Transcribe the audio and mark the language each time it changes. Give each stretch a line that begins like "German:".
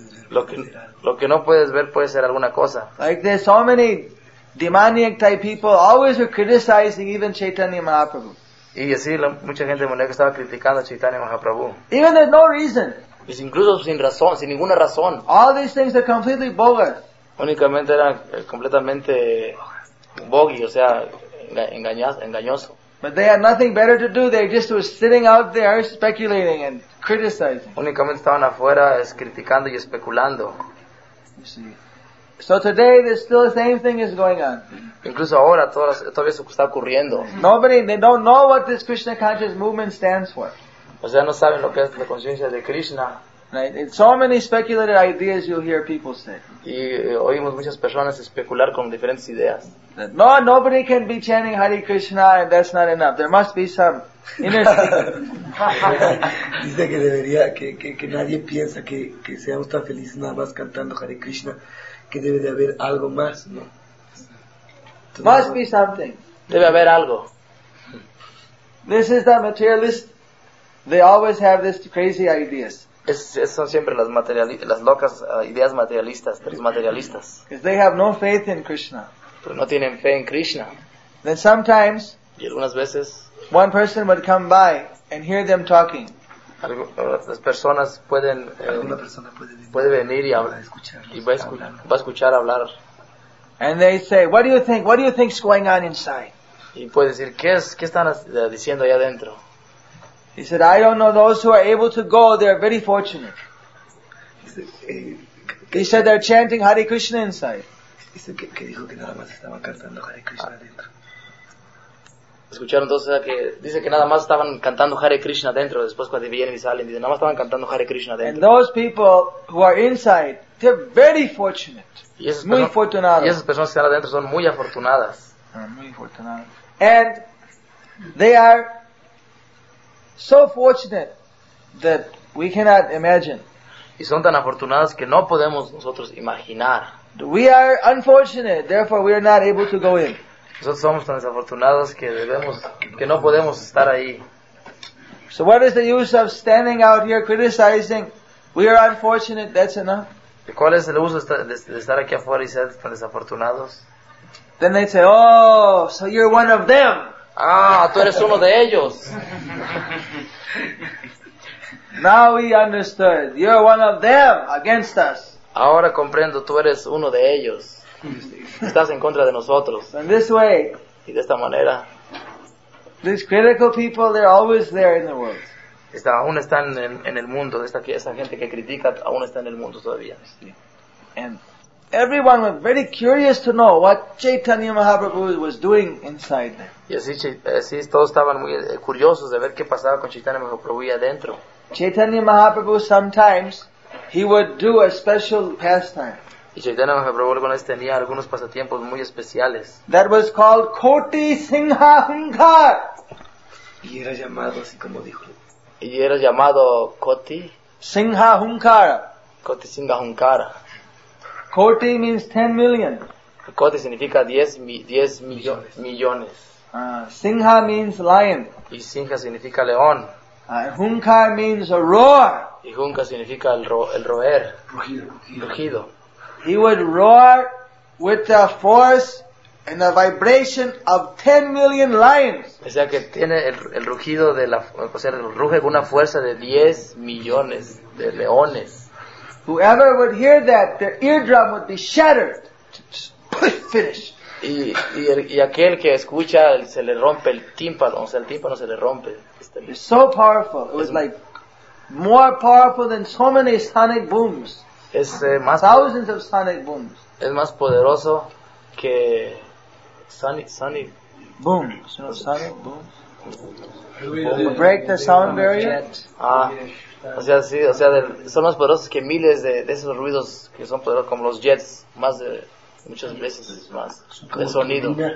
Spanish: Lo que no puedes ver puede ser alguna cosa.
English: Like there's so many demonic type people always are criticizing even Chaitanya Mahaprabhu.
Spanish: Y así mucha gente demoníaca estaba criticando a Chaitanya Mahaprabhu.
English: Even there's no reason.
Spanish: Es incluso sin razón, sin ninguna razón.
English: All these things are completely bogus.
Spanish: Únicamente era completamente bogus, o sea, engañoso.
English: But they had nothing better to do. They just were sitting out there speculating and criticizing.
Spanish: Únicamente estaban afuera criticando y especulando.
English: So today there's still the same thing is going on.
Spanish: Incluso ahora todavía eso está ocurriendo.
English: Nobody, they don't know what this Krishna conscious movement stands for.
Spanish: O sea, no saben lo que es la conciencia de Krishna.
English: Right? It's so many speculative ideas you'll hear people say.
Spanish: Y oímos muchas personas especular con diferentes ideas.
English: No, nobody can be chanting Hare Krishna and that's not enough. There must be some inner
Spanish: dice que debería, que nadie piensa que seamos tan felices nada más cantando Hare Krishna, que debe de haber algo más, ¿no?
English: Must be something.
Spanish: Debe haber algo.
English: This is the materialist. They always have these crazy ideas.
Spanish: Es son siempre las locas ideas materialistas, tres materialistas.
English: Because they have no faith in Krishna.
Spanish: Pero no tienen fe en Krishna.
English: Then sometimes,
Spanish: y algunas veces,
English: one person would come by and hear them talking.
Spanish: Las personas pueden, alguna persona puede venir y hablar, escuchar, y va a escuchar hablar.
English: And they say, what do you think? What do you think is going on inside?
Spanish: Y puede decir, ¿qué están diciendo allá adentro?
English: He said, I don't know those who are able to go, they are very fortunate. He said, they're chanting Hare Krishna inside.
Spanish: ¿Qué dijo que nada más estaban cantando Hare Krishna adentro? Escucharon entonces que dice que nada más estaban cantando Hare Krishna adentro, después cuando vienen y salen, dicen, nada más estaban cantando Hare Krishna adentro.
English: And those people who are inside, they're very fortunate.
Spanish: Muy afortunados. Y esas personas que están adentro son muy afortunadas. Muy afortunadas.
English: And they are so fortunate that we cannot imagine.
Spanish: Y son tan afortunadas que no podemos nosotros imaginar.
English: We are unfortunate, therefore we are not able to go in.
Spanish: Nosotros somos tan desafortunados que no podemos estar ahí.
English: So what is the use of standing out here criticizing? We are unfortunate, that's enough.
Spanish: ¿Y cuál es el uso de estar aquí afuera y ser tan desafortunados?
English: Then they say, oh, so you're one of them.
Spanish: Ah, tú eres uno de ellos.
English: Now we understood. You're one of them against us.
Spanish: Ahora comprendo, tú eres uno de ellos. Estás en contra de nosotros.
English: In this way.
Spanish: Y de esta manera.
English: These critical people, they're always there in the world.
Spanish: Aún están en el mundo. Esa gente que critica aún está en el mundo todavía.
English: And everyone was very curious to know what Chaitanya Mahaprabhu was doing inside there.
Spanish: Y así todos estaban muy curiosos de ver qué pasaba con Chaitanya Mahaprabhu adentro.
English: Chaitanya Mahaprabhu sometimes he would do a special pastime.
Spanish: Y Chaitanya Mahaprabhu algunas tenía algunos pasatiempos muy especiales.
English: That was called Koti Singha Hunkar.
Spanish: Y era llamado así como dijo. Y era llamado Koti Singha Hunkar. Koti Singha Hunkar.
English: Koti means 10 million.
Spanish: Koti significa 10 millones.
English: Singha means lion.
Spanish: Y Singha significa león.
English: Hunkar means a roar.
Spanish: Y Hunkar significa el roer. Rugido. Rugido.
English: He would roar with the force and a vibration of 10 million lions.
Spanish: O sea que tiene el rugido de la, o sea, ruge con una fuerza de 10 millones de leones.
English: Whoever would hear that, their eardrum would be shattered. Finish.
Spanish: Y aquel que escucha se le rompe el tímpano, o sea, el tímpano se le rompe.
English: It's so powerful. It was like more powerful than so many sonic booms.
Spanish: Es más
English: thousands of sonic booms.
Spanish: Es más poderoso que sonic
English: booms. So sonic booms. We break the sound barrier.
Spanish: Ah, o sea, sí, o sea, son más poderosos que miles de esos ruidos que son poderosos como los jets, más de muchas veces más de sonido.